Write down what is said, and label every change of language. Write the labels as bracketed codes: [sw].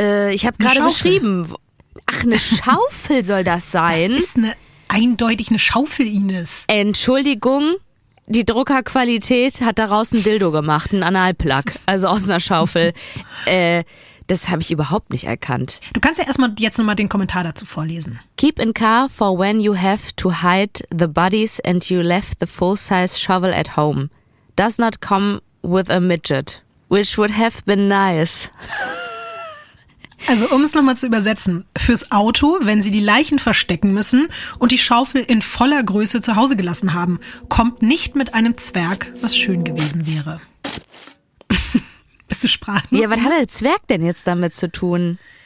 [de] Ich habe gerade beschrieben. Ach, eine Schaufel soll das sein? Das ist eindeutig eine Schaufel, Ines. Entschuldigung, die Druckerqualität hat daraus ein Dildo gemacht, ein Analplug, also aus einer Schaufel. Das habe ich überhaupt nicht erkannt. Du kannst ja erstmal jetzt nochmal den Kommentar dazu vorlesen. [en] Keep in car for when you have to hide the bodies and you left the full-size shovel at home. Does not come with a midget, which would have been nice. [de] Also um es nochmal zu übersetzen, fürs Auto, wenn sie die Leichen verstecken müssen und die Schaufel in voller Größe zu Hause gelassen haben, kommt nicht mit einem Zwerg, was schön gewesen wäre. Bist du sprachlos? Ja, was hat der Zwerg denn jetzt damit zu tun?